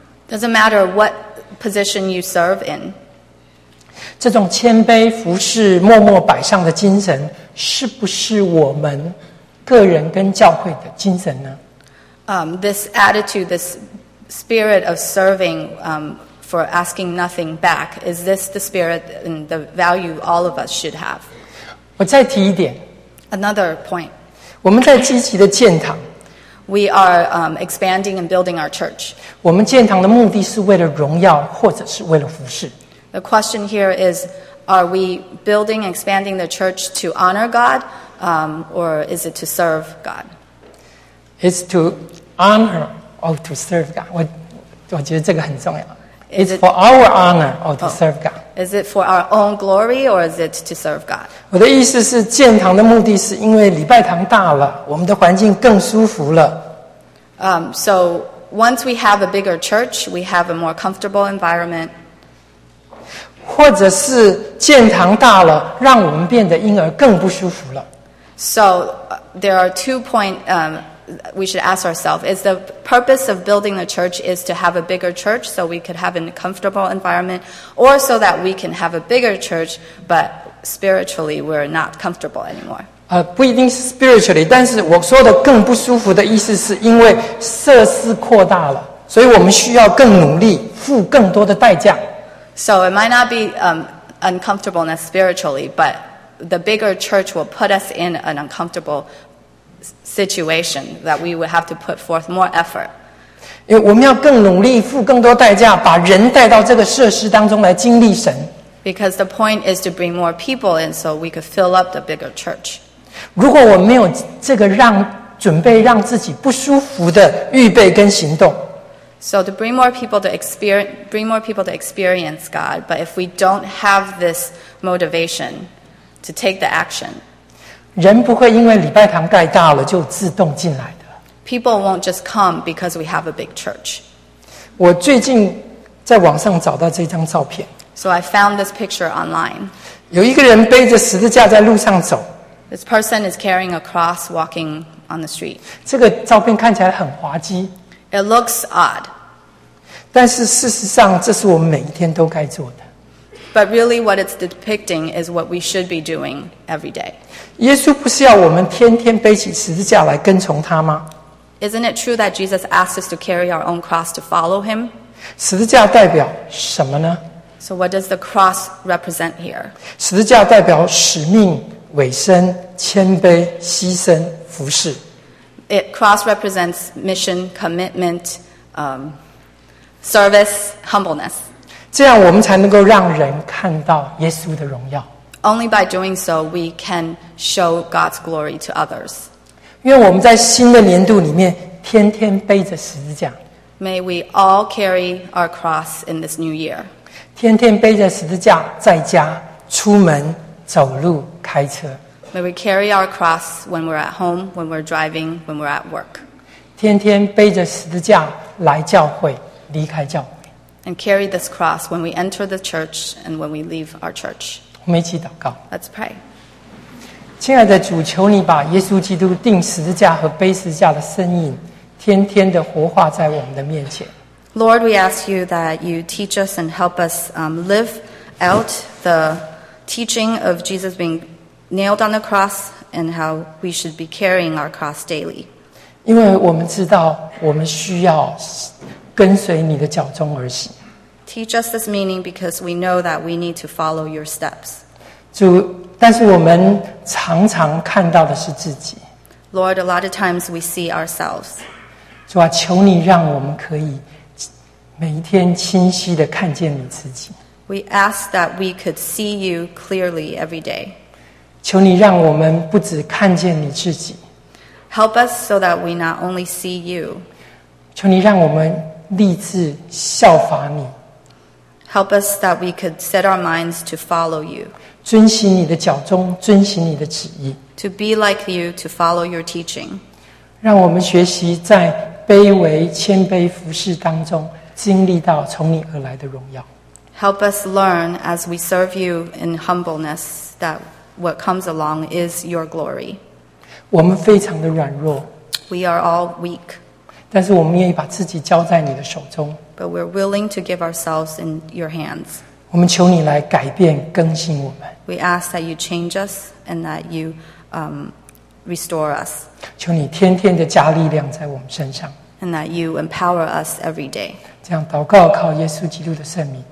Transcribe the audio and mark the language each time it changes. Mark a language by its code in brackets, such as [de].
[en] doesn't matter what position you serve in. [zh] 这种谦卑服侍、默默摆上的精神，是不是我们个人跟教会的精神呢？ [en] This attitude, this spirit of serving, for asking nothing back, is this the spirit and the value all of us should have? [zh] 我再提一点。 [en] Another point. [zh] 我们在积极的建堂。 [en] We are expanding and building our church. [zh] 我们建堂的目的是为了荣耀，或者是为了服事。 [en] The question here is, are we building and expanding the church to honor God, or is it to serve God? It's to honor or to serve God. [zh] 我觉得这个很重要。 [en] It's for our honor or to serve God. Is it for our own glory or is it to serve God? [zh] 我的意思是，建堂的目的是因为礼拜堂大了，我们的环境更舒服了。 [en] So once we have a bigger church, we have a more comfortable environment. [zh] 或者是建堂大了，让我们变得因而更不舒服了。 [en] So there are two points. We should ask ourselves, is the purpose of building the church is to have a bigger church so we could have a comfortable environment, or so that we can have a bigger church, but spiritually we're not comfortable anymore? [zh] 不一定是 spiritually, 但是我说的更不舒服的意思是因为设施扩大了，所以我们需要更努力，付更多的代价。 [en] So it might not be uncomfortableness spiritually, but the bigger church will put us in an uncomfortable situation that we would have to put forth more effort. [zh] 因为我们要更努力，付更多代价，把人带到这个设施当中来经历神。 [en] Because the point is to bring more people in so we could fill up the bigger church. [zh] 如果我没有这个让准备让自己不舒服的预备跟行动。 [en] So to bring more people to experience, bring more people to experience God, but if we don't have this motivation to take the action, [zh] 人不会因为礼拜堂盖大了就自动进来的。 [en] People won't just come because we have a big church. [zh] 我最近在网上找到这张照片。 [en] So I found this picture online. [zh] 有一个人背着十字架在路上走。 [en] This person is carrying a cross walking on the street. [zh] 这个照片看起来很滑稽。 [en] It looks odd. [zh] 但是事实上，这是我们每一天都该做的。 [en] But really what it's depicting is what we should be doing every day. [zh] 耶稣不是要我们天天背起十字架来跟从他吗？ [en] Isn't it true that Jesus asked us to carry our own cross to follow him? [zh] 十字架代表什么呢？ [en] So what does the cross represent here? [zh] 十字架代表使命、委身、谦卑、牺牲、服侍。 [en] It cross represents mission, commitment, service, humbleness. [zh] 这样我们才能够让人看到耶稣的荣耀。 [en] Only by doing so, we can show God's glory to others. [zh] 因为我们在新的年度里面天天背着十字架。 [en] May we all carry our cross in this new year. [zh] 天天背着十字架在家、出门、走路、开车。 [en] May we carry our cross when we're at home, when we're driving, when we're at work. [zh] 天天背着十字架来教会、离开教会。 [en] And carry this cross when we enter the church and when we leave our church. [zh] 我们一起祷告。 [en] Let's pray. [zh] 亲爱的主，求你把耶稣基督钉十字架和背十字架的身影，天天的活化在我们的面前。 [en] Lord, we ask you that you teach us and help us live out the teaching of Jesus being nailed on the cross and how we should be carrying our cross daily. [zh] 因为我们知道，我们需要。跟随你的脚踪而行。 [en] Teach us this meaning because we know that we need to follow your steps. [zh] 主，但是我们常常看到的是自己。 [en] Lord, a lot of times we see ourselves. [zh] 主啊，求你让我们可以每一天清晰地看见你自己。 [en] We ask that we could see you clearly every day. [zh] 求你让我们不只看见你自己。 [en] Help us so that we not only see you. [zh] 求你让我们立志效法你。 [en] Help us that we could set our minds to follow you. [zh] 遵行你的脚踪，遵行你的旨意。 [en] To be like you, to follow your teaching. [zh] 让我们学习在卑微谦卑服侍当中经历到从你而来的荣耀。 [en] Help us learn as we serve you in humbleness that what comes along is your glory. [zh] 我们非常的软弱。 [en] We are all weak. [zh] 但是我们愿意把自己交在你的手中。 [en] But we're willing to give ourselves in your hands. [zh] 我们求你来改变更新我们。 [en] We ask that you change us and that you restore us. [zh] 求你天天的加力量在我们身上。 [en] And that you empower us every day. [zh] 这样祷告靠耶稣基督的圣名。